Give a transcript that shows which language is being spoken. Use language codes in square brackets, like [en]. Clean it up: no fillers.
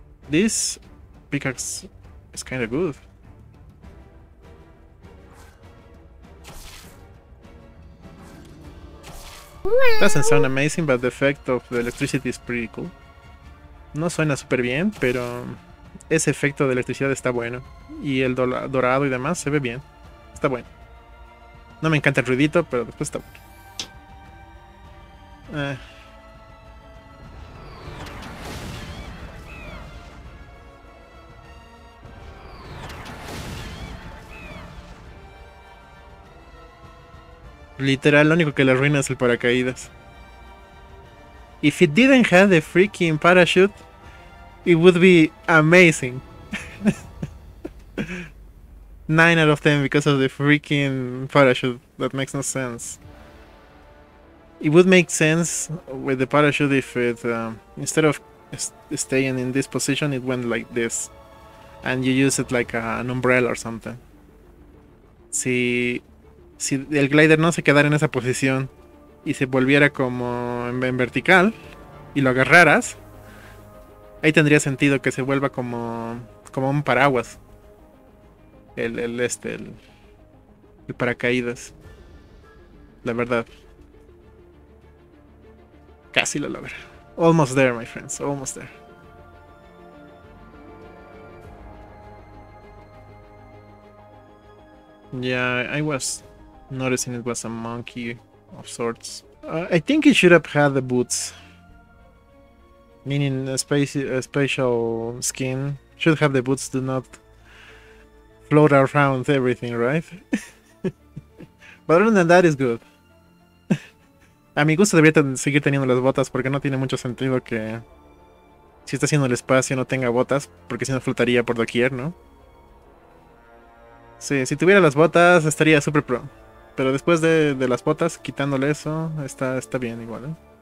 [en] This pickaxe is kind of good. Doesn't sound amazing, but the effect of the electricity is pretty cool. [es] No suena súper bien, pero ese efecto de electricidad está bueno. Y el dorado y demás se ve bien. Está bueno. No me encanta el ruidito, pero después está bueno. Literal, lo único que le arruina es el paracaídas. [en] If it didn't have the freaking parachute, it would be amazing. 9 out of 10 because of the freaking parachute. That makes no sense. It would make sense with the parachute if it, instead of staying in this position, it went like this. And you use it like an umbrella or something. [es] Si el glider no se quedara en esa posición y se volviera como en vertical y lo agarraras. Ahí tendría sentido que se vuelva como un paraguas. El paracaídas. La verdad. Casi lo logra. [en] Almost there, my friends. Almost there. Yeah, I was noticing it was a monkey of sorts. I think it should have had the boots. Meaning a special skin should have the boots to not float around everything, right? But other than that, it's good. [es] A mi gusto debería seguir teniendo las botas porque no tiene mucho sentido que si está haciendo el espacio no tenga botas porque si no flotaría por doquier, ¿no? Sí, si tuviera las botas estaría super pro. Pero después de las botas, quitándole eso, está bien igual, ¿eh?